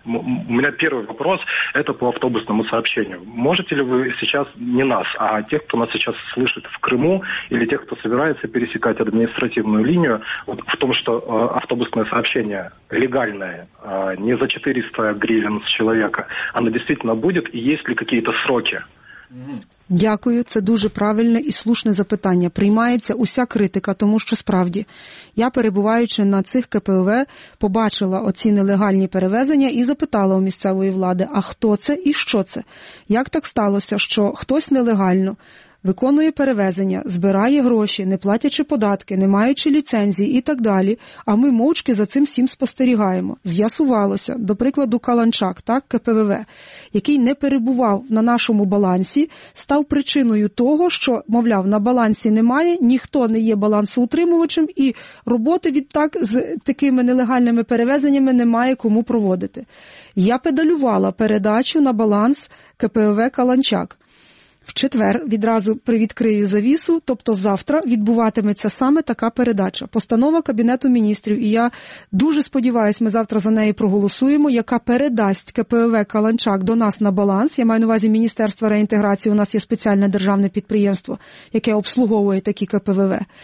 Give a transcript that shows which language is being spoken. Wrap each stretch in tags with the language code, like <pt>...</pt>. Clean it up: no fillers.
<ru>У меня первый вопрос – это по автобусному сообщению. Можете ли вы сейчас, не нас, а тех, кто нас сейчас слышит в Крыму или тех, кто собирается пересекать административную линию, вот в том, что автобусное сообщение легальное, не за 400 гривен с человека, оно действительно будет, и есть ли какие-то сроки?</ru> <uk>Дякую, це дуже правильне і слушне запитання. Приймається уся критика, тому що справді, я, перебуваючи на цих КПВ, побачила оці нелегальні перевезення і запитала у місцевої влади, а хто це і що це? Як так сталося, що хтось нелегально виконує перевезення, збирає гроші, не платячи податки, не маючи ліцензії і так далі, а ми мовчки за цим всім спостерігаємо. З'ясувалося, до прикладу, Каланчак, так, КПВВ, який не перебував на нашому балансі, став причиною того, що, мовляв, на балансі немає, ніхто не є балансоутримувачем і роботи відтак з такими нелегальними перевезеннями немає кому проводити. Я педалювала передачу на баланс КПВВ «Каланчак». В четвер відразу привідкрию завісу, тобто завтра відбуватиметься саме така передача. Постанова Кабінету міністрів, і я дуже сподіваюся, ми завтра за неї проголосуємо, яка передасть КПВВ «Каланчак» до нас на баланс. Я маю на увазі Міністерство реінтеграції, у нас є спеціальне державне підприємство, яке обслуговує такі КПВВ.</uk>